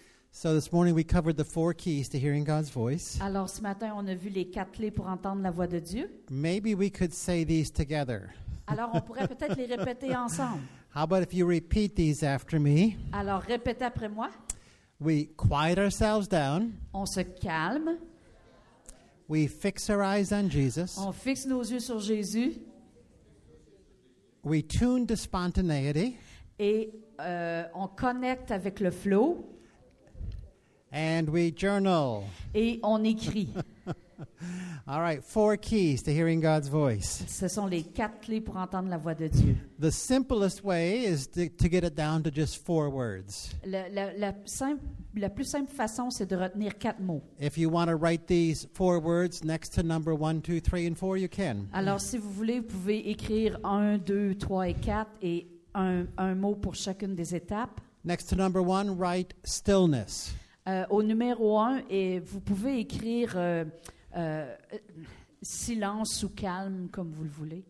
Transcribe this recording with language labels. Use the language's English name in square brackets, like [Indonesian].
[English] So this morning we covered the four keys to hearing God's voice. [French] Alors ce matin on a vu les quatre clés pour entendre la voix de Dieu. [English] Maybe we could say these together. [French] Alors on pourrait peut-être les répéter ensemble. [English] How about if you repeat these after me? [French] Alors répétez après moi. [English] We quiet ourselves down. [French] On se calme. [English] We fix our eyes on Jesus. [French] On fixe nos yeux sur Jésus. [English] We tune to spontaneity. [French] Et on connecte avec le flow. [English] And we journal. [French] Et on écrit. [English] All right, four keys to hearing God's voice. [French] Ce sont les quatre clés pour entendre la voix de Dieu. [English] The simplest way is to get it down to just four words. [French] La plus simple façon, c'est de retenir quatre mots. [English] If you want to write these four words next to number 1, 2, 3, and 4, you can. [French] Alors, si vous voulez, vous pouvez écrire 1, 2, 3, et 4 et un mot pour chacune des étapes. [English] Next to number 1, write stillness. [French] Au numéro 1, et vous pouvez écrire silence ou calme, comme vous le voulez.